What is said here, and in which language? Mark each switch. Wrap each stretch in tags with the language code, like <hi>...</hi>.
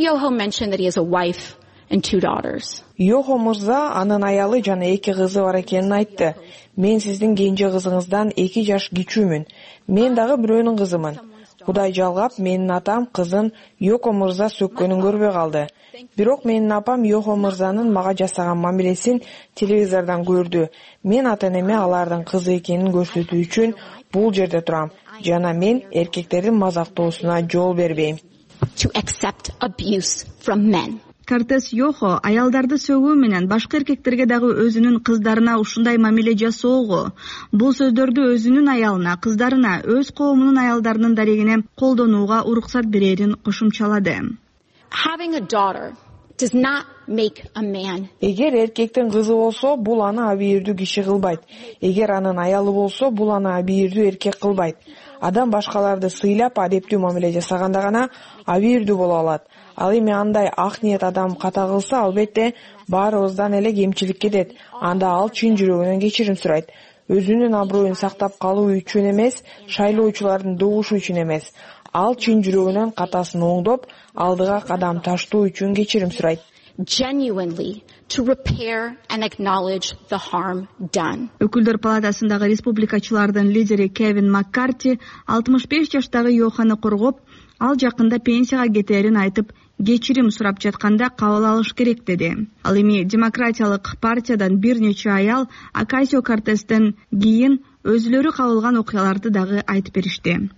<en>Yoho mentioned that he has a wife and two daughters.</en> <ky>Йохо мырза анын аялы жана эки кызы бар экенин айтты. Мен сиздин кенже кызыңыздан 2 жаш кичүүмүн. Мен дагы бирөөнүн кызымын. Кудай жалгап менин атам кызын Йохо мырза сөккөнүн көрбөй калды. Бирок менин апам Йохо мырзанын мага жасаган мамилесин телевизордон көрдү. Мен ата-энеме алардын кызы экенин көрсөтүү үчүн бул жерде турам жана мен эркектердин мазактоосуна жол бербейм.</ky> <en>To accept abuse from men.</en> <ky>Кортес Йохо аялдарды сөгүү менен башка эркектерге дагы өзүнүн кыздарына ушундай мамиле жасоого, бул сөздөрдү өзүнүн аялына, кыздарына, өз коомунун аялдарынын дарегине колдонууга уруксат берерин кошумчалады.</ky> <en>Having a daughter does not make a man.</en> <ky>Эгер эркектин кызы болсо, бул аны абийирдүү киши кылбайт. Эгер анын аялы болсо, бул аны абийирдүү эркек кылбайт. Адам башкаларды сыйлап, адептүү мамиле жасаганда гана абийирдүү боло алат. Ал эми андай ак ниет адам ката кылса, албетте баарыбыздан эле кемчилик кетет. Анда ал чын жүрөгүнөн кечирим сурайт. Өзүнүн аброюн сактап калуу үчүн эмес, шайлоочулардын добушу үчүн эмес. Ал чын жүрөгүнөн катасын оңдоп, алдыга кадам таштоо үчүн кечирим сурайт.</ky> <en>Genuinely to repair and acknowledge the harm done.</en> <ky>Өкүлдөр палатасындагы республикачылардын лидери Кевин Маккарти 65 жаштагы Йоханы коргоп, ал жакында пенсияга кетерин айтып, кечирим сурап жатканда кабыл алыш керек деди. Ал эми демократиялык партиядан бир нече аял Акасио Кортестен кийин өзүлөрү кабылган окуяларды дагы айтып беришти.</ky>